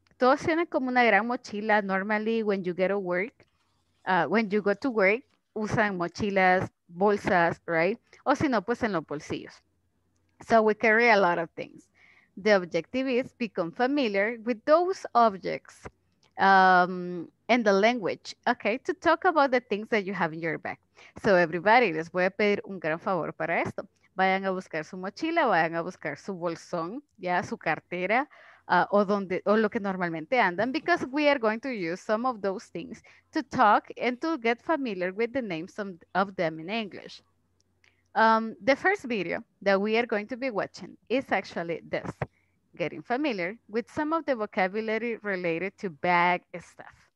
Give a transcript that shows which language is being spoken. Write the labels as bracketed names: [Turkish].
[Spanish] Todos tienen como una gran mochila. [English] Normally, when you get to work, when you go to work, [Spanish] usan mochilas, bolsas, [English] right? [Spanish] O si no, pues en los bolsillos. [English] So we carry a lot of things. The objective is become familiar with those objects and the language, okay? To talk about the things that you have in your bag. So everybody, [Spanish] les voy a pedir un gran favor para esto. Vayan a buscar su mochila, vayan a buscar su bolsón, ya, su cartera. O lo que normalmente andan, [English] because we are going to use some of those things to talk and to get familiar with the names of them in English. The first video that we are going to be watching is actually this, getting familiar with some of the vocabulary related to bag stuff.